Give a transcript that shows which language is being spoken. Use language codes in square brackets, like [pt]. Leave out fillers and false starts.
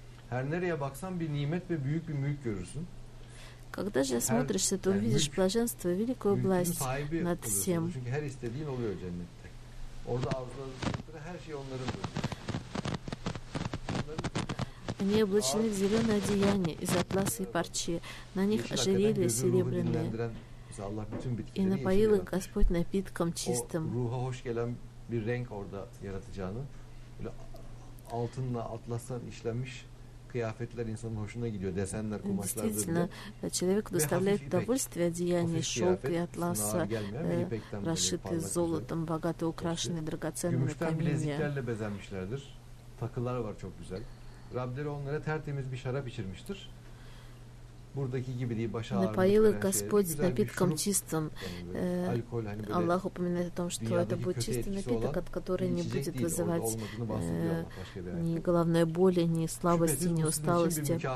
[tr] Her nereye baksan bir nimet ve büyük bir mülk görürsün. [ru] Когда же смотришься, то увидишь блаженство, великую власть над всем. [tr] Çünkü her istediğin oluyor cennette. Orada arzuladıkları her şey onlarındır. [ru] Они облачены в зеленое одеяние из атласа и парчи. На них ожерелья серебряные. И напоил их Господь напитком чистым. [tr] O ruha hoş gelen bir renk orada yaratacağını. Böyle altınla, atlasla işlenmiş kıyafetler insanın hoşuna gidiyor. Desenler, kumaşlar böyle. [ru] Человек доставляет удовольствие одеяние шелк и атласа, расшитый золотом, богато украшенный драгоценными камнями. [tr] Gümüşten bileziklerle bezenmişlerdir. Takılar var çok güzel. Rableri onlara tertemiz bir şarap içirmiştir. Buradaki gibi değil, baş ağrımı. [ru] Напоил их Господь напитком чистым. Аллах упоминает о том, что это будет чистый напиток, от которого не будет вызывать ни головной боли, ни слабости, ни усталости.